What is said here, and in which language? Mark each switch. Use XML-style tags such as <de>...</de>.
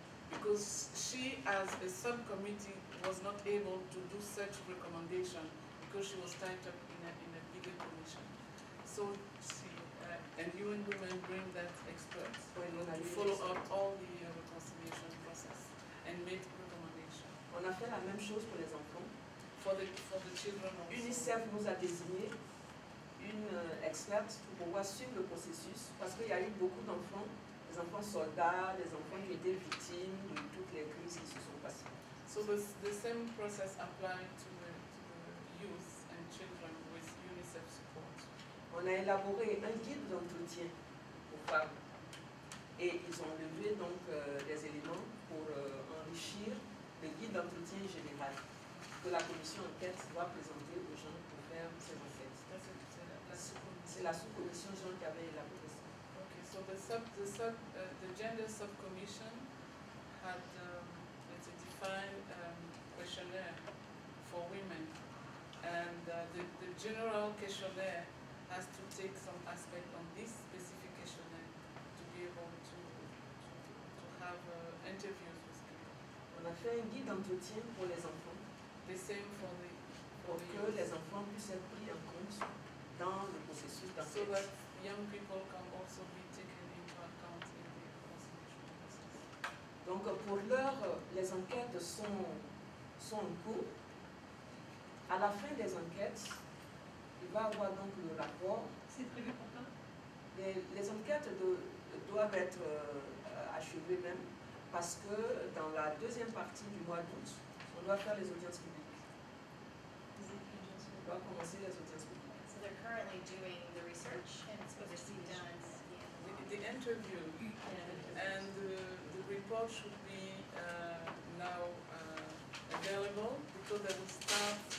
<en>Because she, as a subcommittee, was not able to do such recommendation because she was tied up in a bigger commission. So she and UN Women bring that expert to follow up all the reconciliation process and make recommendation.</en> <fr>On a fait la même chose pour les enfants.</fr> <en>For the children also.</en> <fr>UNICEF nous a désigné une experte pour pouvoir suivre le processus parce qu'il y a eu beaucoup d'enfants. Les enfants soldats, les enfants qui étaient victimes de toutes les crises qui se sont passées.</fr> <en>So the same process applied to the youth and children with UNICEF support.</en> <fr>On a élaboré un guide d'entretien aux femmes et ils ont levé donc des éléments pour enrichir le guide d'entretien général que la commission enquête doit présenter aux gens pour faire ces enquêtes. C'est la sous-commission Jean qui avait élaboré ça.</fr> <en>So the gender subcommission had let's define questionnaire for women, and the general questionnaire has to take some aspect on this specific questionnaire to be able to have interviews with people.</en> <fr>On a fait un guide d'entretien pour les enfants.</fr> <en>The same for the</en> <fr>pour que</fr> <en>youth.</en> <fr>Les enfants puissent être pris en compte dans le processus d'enquête.</fr> <en>So that young people can also be taken into account in the consultation process.</en> <fr>Donc pour l'heure, les enquêtes sont en cours. À la fin des enquêtes, il va y avoir donc le rapport. C'est prévu pour quand? Les enquêtes doivent être achevées même, parce que dans la deuxième partie du mois d'août, on doit faire les audiences publiques. On va commencer les audiences publiques.</fr> <en>So they're currently doing the research and it's supposed to be done. The interview and the report should be now available because they will start</en>